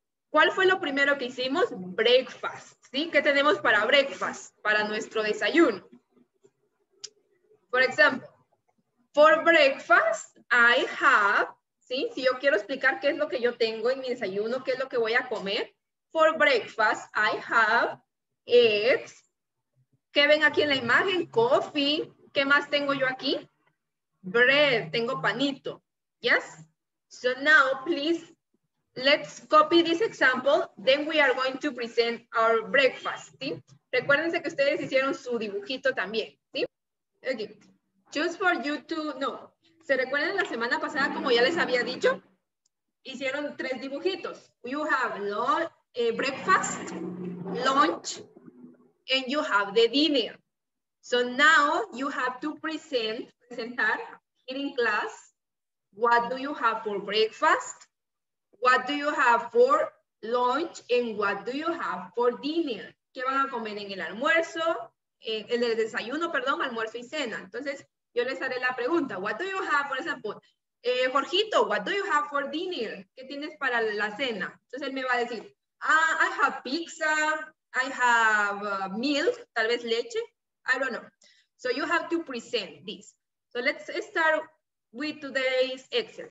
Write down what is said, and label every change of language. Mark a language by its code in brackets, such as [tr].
[es] ¿Cuál fue lo primero que hicimos? Breakfast, ¿sí? ¿Qué tenemos para breakfast? Para nuestro desayuno. Por ejemplo, [en] for breakfast I have, [es] ¿sí? Si yo quiero explicar qué es lo que yo tengo en mi desayuno, qué es lo que voy a comer. [en] For breakfast I have eggs. [es] ¿Qué ven aquí en la imagen? Coffee. ¿Qué más tengo yo aquí? Bread. Tengo panito. Yes? [en] So now, please, let's copy this example. Then we are going to present our breakfast. [es] ¿Sí? Recuérdense que ustedes hicieron su dibujito también. ¿Sí? Okay. [en] Just for you to know. [es] ¿Se recuerdan la semana pasada, como ya les había dicho? Hicieron tres dibujitos. [en] You have breakfast, lunch, and you have the dinner. So now you have to presentar here in class, what do you have for breakfast? What do you have for lunch? And what do you have for dinner? [es] ¿Qué van a comer en el almuerzo? En el desayuno, perdón, almuerzo y cena. Entonces, yo les haré la pregunta. [en] What do you have, [es] por ejemplo, [en] Jorgito, what do you have for dinner? [es] ¿Qué tienes para la cena? Entonces, él me va a decir, [en] I have pizza. I have milk, [es] tal vez leche, [en] I don't know. So you have to present this. So let's start with today's exercise.